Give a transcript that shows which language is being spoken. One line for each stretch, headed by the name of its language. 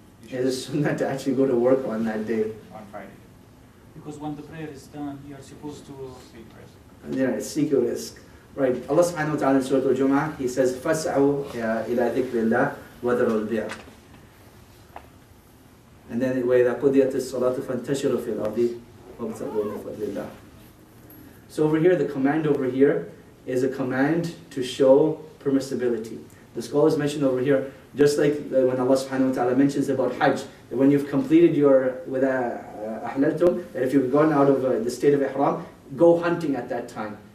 English: Is it sunnah to actually go to work on that day? On Friday. Because when the prayer is done, you are supposed to seek risk. Yeah, seek your risk. Right. Allah subhanahu wa ta'ala in Surah Al-Jum'ah, He says,
Arabic: فَسْعُوا إِلَىٰ ذِكْرِ اللَّهِ وَذَرُوا الْبِعْ.
English: And then,
Arabic: وَإِذَا قُضِيَتِ الصَّلَاةُ فَانْتَشِرُوا فِي الْأَرْضِ وَابْتَغُوا مِنْ فَضْلِ اللَّهِ.
English: So over here, the command over here is a command to show permissibility. The scholars mentioned over here, just like when Allah subhanahu wa ta'ala mentions about Hajj, that when you've completed your, with a ahlaltum, that if you've gone out of the state of ihram, go hunting at that time.